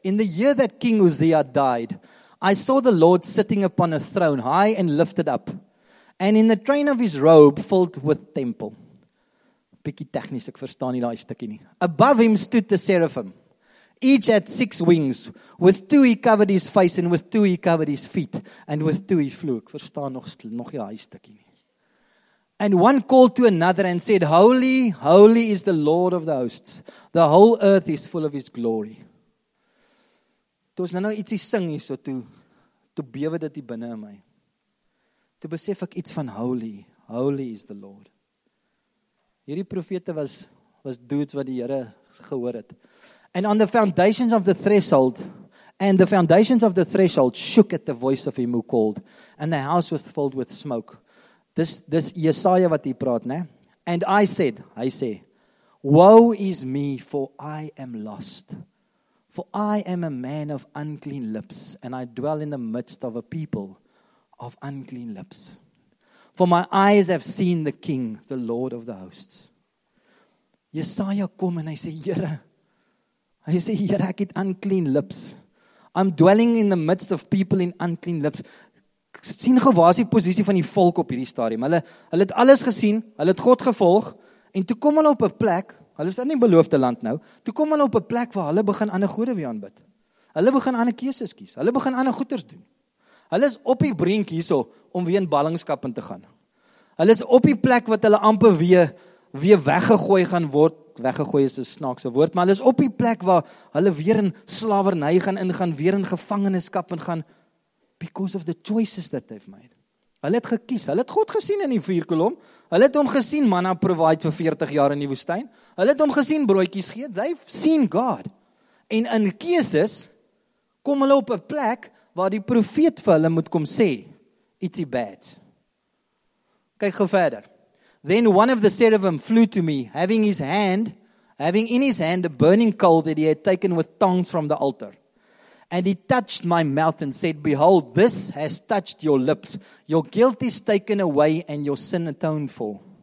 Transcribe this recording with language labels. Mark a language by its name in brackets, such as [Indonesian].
[English] In the year that King Uzziah died, I saw the Lord sitting upon a throne, high and lifted up, and in the train of his robe filled with temple. [Afrikaans] Bietjie technisch, ek verstaan nie die stukkie nie. [English] Above him stood the seraphim. Each had 6 wings. With 2 he covered his face, and with 2 he covered his feet, and with 2 he flew. [Afrikaans] Ek verstaan nog die stukkie nie. [English] And one called to another and said, Holy, holy is the Lord of the hosts. The whole earth is full of his glory. [Afrikaans] Toe ons nou ietsie sing hier so toe bewe dit hier binne in my. Toe besef ek iets van [English] holy, holy is the Lord. [Afrikaans] Hierdie profete was dudes wat die Here gehoor het. [English] And on the foundations of the threshold, and the foundations of the threshold shook at the voice of him who called, and the house was filled with smoke. This Jesaja [Afrikaans] wat hier praat, né? [English] And I said, [Afrikaans] hy sê, [English] woe is me, for I am lost. For I am a man of unclean lips, and I dwell in the midst of a people of unclean lips. For my eyes have seen the King, the Lord of the hosts. [Afrikaans] Jesaja kom en hy sê, Here. Hy sê, Here, ek het [English] unclean lips. [Afrikaans] I'm dwelling in the midst of people in unclean lips. Sien gou waar is die posisie van die volk op hierdie stadium. Hulle het alles gesien, hulle het God gevolg, en toe kom hulle op 'n plek, hulle is in die beloofde land nou, toe kom hulle op 'n plek waar hulle begin ander gode weer aanbid. Hulle begin ander keuses kies. Hulle begin ander goeders doen. Hulle is op die brink hierso om weer in ballingskap in te gaan. Hulle is op die plek wat hulle amper weer weggegooi gaan word weggegooi is, 'n snaakse woord, maar hulle is op die plek waar hulle weer in slavernij gaan ingaan, weer in gevangeniskap ingaan, [English] because of the choices that they've made. [Afrikaans] Hulle het gekies, hulle het God gesien in die vuurkolom, hulle het hom gesien, manna provide vir 40 jaar in die woestijn, hulle het hom gesien, broodjies gee, [English] they've seen God. [Afrikaans] En in keuses, kom hulle op 'n plek, waar die profeet vir hulle moet kom sê, [English] it's bad. [Afrikaans] Kyk gou verder. [English] Then one of the seraphim flew to me, having in his hand a burning coal that he had taken with tongs from the altar. And he touched my mouth and said, behold, this has touched your lips. Your guilt is taken away and your sin atoned for.